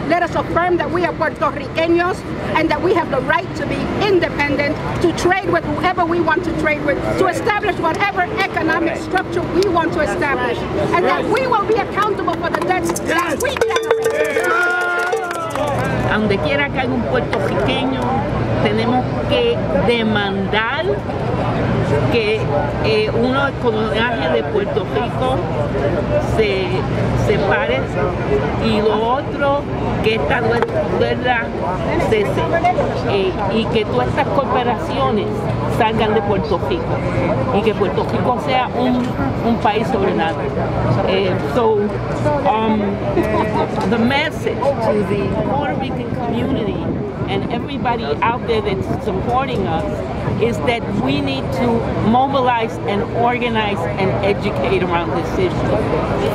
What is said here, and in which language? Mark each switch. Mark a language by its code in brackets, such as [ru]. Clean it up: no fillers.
[en] Let us affirm that we are Puerto Ricanos and that we have the right to be independent, to trade with whoever we want to trade with, to establish whatever economic structure we want to establish, and that we will be accountable for the debts that we generate. [es] Donde quiera que haya un puertorriqueño, tenemos que demandar que uno del colonaje de Puerto Rico se separe, y lo otro, que esta guerra cese, y que todas estas corporaciones salgan de Puerto Rico, y que Puerto Rico sea un país sobre nada. [en] The message to the Puerto Rican community and everybody out there that's supporting us is that we need to mobilize and organize and educate around this issue.